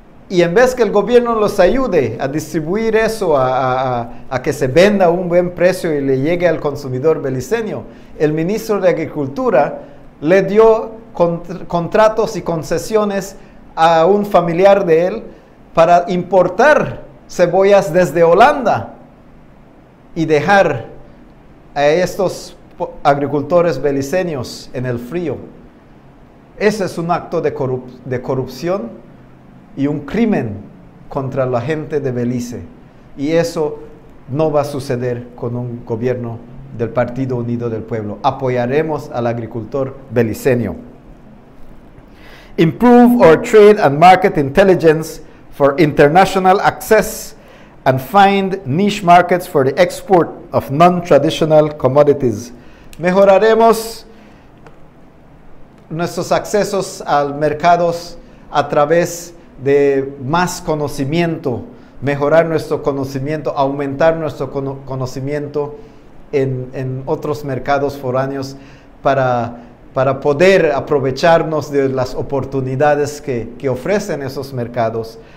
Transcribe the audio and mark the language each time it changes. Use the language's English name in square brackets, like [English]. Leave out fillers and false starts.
[Spanish] Y en vez que el gobierno los ayude a distribuir eso, a que se venda a un buen precio y le llegue al consumidor beliceño, el ministro de Agricultura le dio contratos y concesiones a un familiar de él para importar cebollas desde Holanda y dejar a estos agricultores beliceños en el frío. Ese es un acto de corrupción y un crimen contra la gente de Belice. Y eso no va a suceder con un gobierno del Partido Unido del Pueblo. Apoyaremos al agricultor beliceño. [English] Improve our trade and market intelligence for international access and find niche markets for the export of non-traditional commodities. [Spanish] Mejoraremos nuestros accesos a mercados a través de más conocimiento, mejorar nuestro conocimiento, aumentar nuestro conocimiento en otros mercados foráneos para poder aprovecharnos de las oportunidades que ofrecen esos mercados.